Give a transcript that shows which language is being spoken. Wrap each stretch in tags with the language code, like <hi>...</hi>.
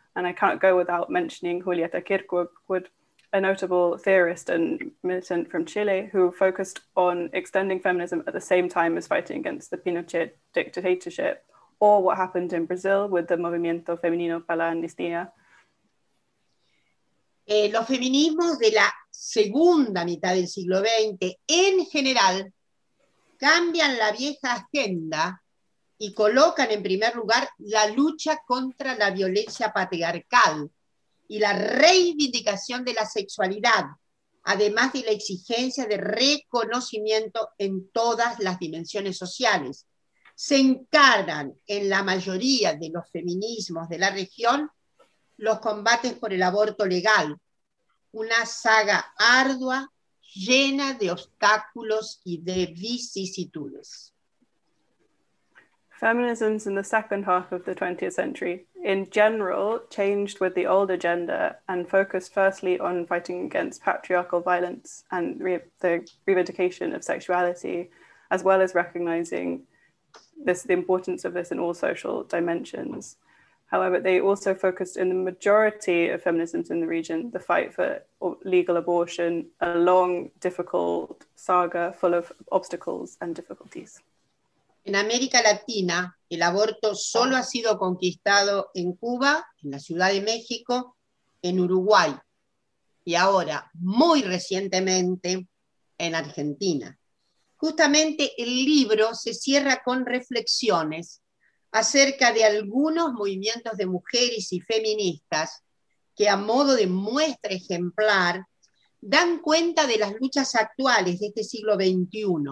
<en>And I can't go without mentioning Julieta Kirkwood, a notable theorist and militant from Chile, who focused on extending feminism at the same time as fighting against the Pinochet dictatorship, or what happened in Brazil with the Movimiento Feminino para la Amnistía.</en> <es>Los feminismos de la segunda mitad del siglo XX, en general, cambian la vieja agenda y colocan en primer lugar la lucha contra la violencia patriarcal y la reivindicación de la sexualidad, además de la exigencia de reconocimiento en todas las dimensiones sociales. Se encargan en la mayoría de los feminismos de la región los combates por el aborto legal, una saga ardua, llena de obstáculos y de vicisitudes.</es> <en>Feminisms in the second half of the 20th century, in general, changed with the old agenda and focused firstly on fighting against patriarchal violence and the revindication of sexuality, as well as recognizing this, the importance of this in all social dimensions. However, they also focused in the majority of feminisms in the region, the fight for legal abortion, a long, difficult saga full of obstacles and difficulties.</en> <es>En América Latina, el aborto solo ha sido conquistado en Cuba, en la Ciudad de México, en Uruguay, y ahora, muy recientemente, en Argentina. Justamente el libro se cierra con reflexiones acerca de algunos movimientos de mujeres y feministas que, a modo de muestra ejemplar, dan cuenta de las luchas actuales de este siglo XXI.</es>